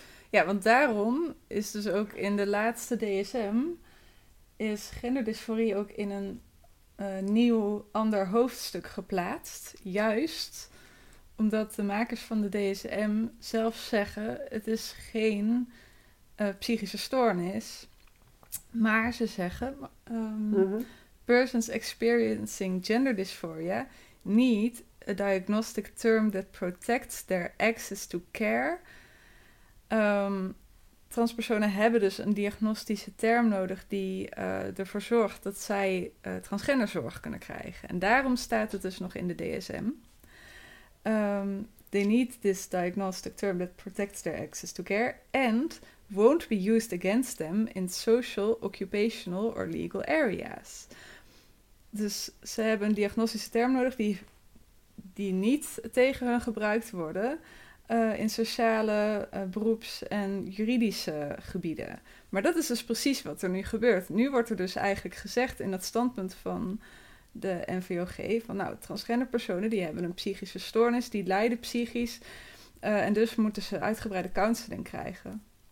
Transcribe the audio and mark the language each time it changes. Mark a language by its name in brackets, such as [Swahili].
[Dutch] Ja, want daarom is dus ook in de laatste DSM, is genderdysforie ook in een nieuw, ander hoofdstuk geplaatst. Juist omdat de makers van de DSM zelf zeggen, het is geen... psychische stoornis. Maar ze zeggen... [English] persons experiencing gender dysphoria need a diagnostic term that protects their access to care. [Dutch] Transpersonen hebben dus een diagnostische term nodig die ervoor zorgt dat zij transgenderzorg kunnen krijgen. En daarom staat het dus nog in de DSM. [English] They need this diagnostic term that protects their access to care. And won't be used against them in social, occupational or legal areas. [Dutch] Dus ze hebben een diagnostische term nodig die niet tegen hun gebruikt worden in sociale, beroeps- en juridische gebieden. Maar dat is dus precies wat er nu gebeurt. Nu wordt er dus eigenlijk gezegd in dat standpunt van de NVOG van nou, transgender personen die hebben een psychische stoornis, die lijden psychisch en dus moeten ze uitgebreide counseling krijgen.